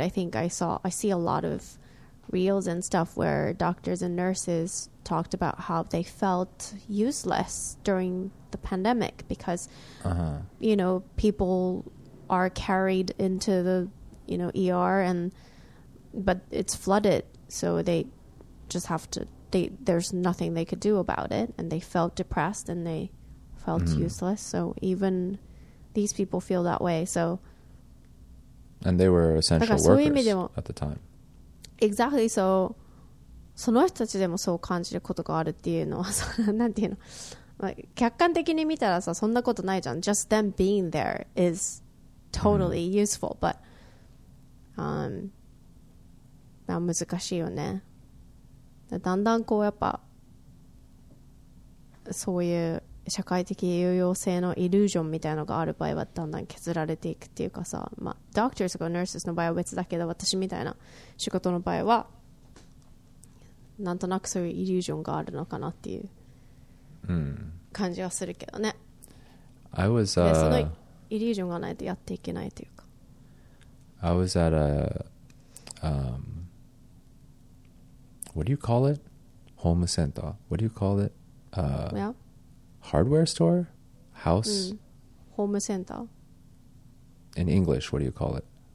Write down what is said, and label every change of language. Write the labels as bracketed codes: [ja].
[en] I see a lot of reels and stuff where doctors and nurses talked about how they felt useless during the pandemic because, you know, people are carried into the, you know, ER, and but it's flooded, so they just have to, there's nothing they could do about it, and they felt depressed and they felt useless. So even these people feel that way. So, and they were essential workers at the time. Exactly. [ja] So, その人たちでもそう感じることがあるっていうのはさ、なんていうの、客観的に見たらさ、そんなことないじゃん。 [en] Just them being there is totally useful, but, [ja] まあ難しいよね。だんだんこうやっぱ、そういう社会的有用性のイリュージョンみたいなのがある場合はだんだん削られていくっていうかさ、まあ、ドクターとかナースの場合は別だけど、私みたいな仕事の場合はなんとなくそういうイリュージョンがあるのかなっていう感じはするけどね。 [en] I was, [ja] そのイリュージョンがないとやっていけないというか。 [en] I was at a, what do you call it? Home center. What do you call it? Yeah. Hardware store? House? Home center. In English, what do you call it?